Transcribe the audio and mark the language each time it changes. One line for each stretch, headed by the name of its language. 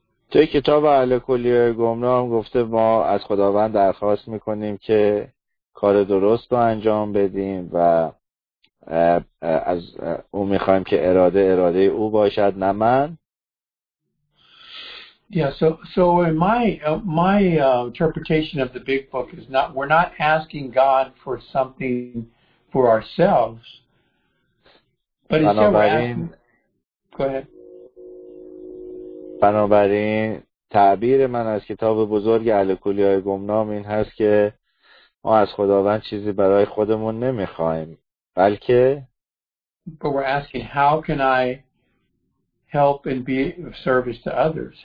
Persian: توی کتاب اهل کلیه گمنام گفته ما از خداوند درخواست میکنیم که کار درست رو انجام بدیم و از او میخوایم که اراده او باشد نه من.
English: Yeah, so my interpretation of the big book is not we're not asking God for something for ourselves, but instead we're asking. Go ahead.
Persian: بنابراین تعبیر من از کتاب بزرگ اهل کلیه گمنام این هست که ما از خداوند چیزی برای خودمون نمیخوایم، بلکه
English: but we're asking how can I help and be of service to others.